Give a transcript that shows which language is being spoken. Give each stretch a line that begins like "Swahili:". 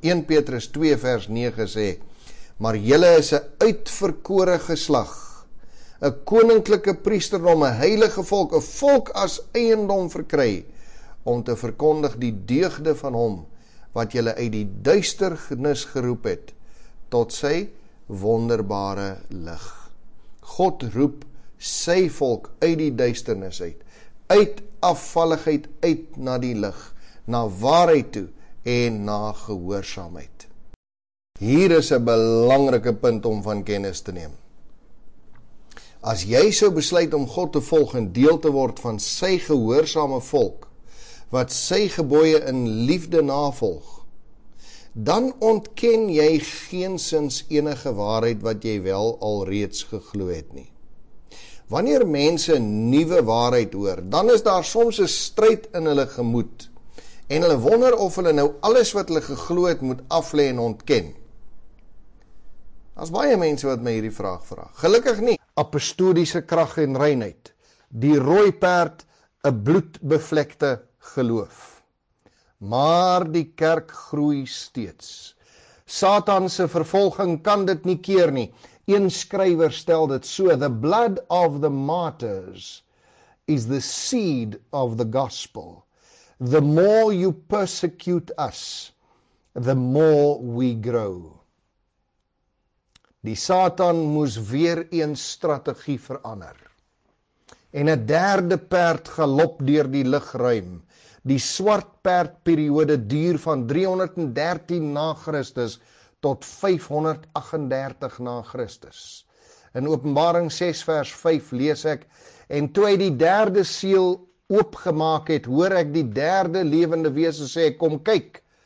Afrikaans: 1 Petrus 2 vers 9 sê, maar julle is 'n uitverkore geslag, 'n koninklike priesterdom, 'n heilige volk, 'n volk as eiendom verkry, om te verkondig die deugde van hom, wat julle uit die duisternis geroep het, tot sy wonderbare lig. God roep sy volk uit die duisternis uit, uit afvalligheid uit na die lig, na waarheid toe en na gehoorsaamheid. Hier is 'n belangrike punt om van kennis te neem. As jy sou besluit om God te volg en deel te word van sy gehoorsame volk, wat sy gebooie in liefde navolg, dan ontken jy geensins enige waarheid wat jy wel alreeds geglo het nie. Wanneer mense nuwe waarheid hoor, dan is daar soms 'n stryd in hulle gemoed en hulle wonder of hulle nou alles wat hulle geglo het moet aflê en ontken. Daar's baie mense wat my hierdie vraag vra. Gelukkig nie. Apostoliese krag en reinheid. Die rooi perd, 'n bloedbevlekte geloof. Maar die kerk groei steeds. Satan se vervolging kan dit nie keer nie. Een skrywer stel dit so,
English: the blood of the martyrs is the seed of the gospel. The more you persecute us, the more we grow.
Afrikaans: Die Satan moes weer een strategie verander. En 'n derde perd galop deur die lugruim. Die swart perd periode duur van 313 na Christus tot 538 na Christus. In Openbaring 6 vers 5 lees ek, en toe hy die derde seël oopgemaak het, hoor ek die derde lewende wese sê, kom kyk.